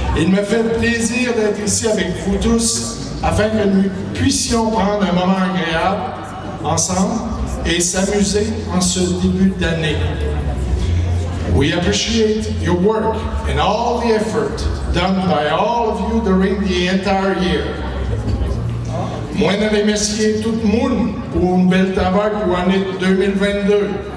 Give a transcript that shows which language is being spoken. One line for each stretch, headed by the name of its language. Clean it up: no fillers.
French: Il me fait plaisir d'être ici avec vous tous afin que nous puissions prendre un moment agréable ensemble et s'amuser en ce début d'année.
English: We appreciate your work and all the effort done by all of you during the entire year.
French: Moi, je remercie tout le monde pour une belle tabac pour l'année 2022.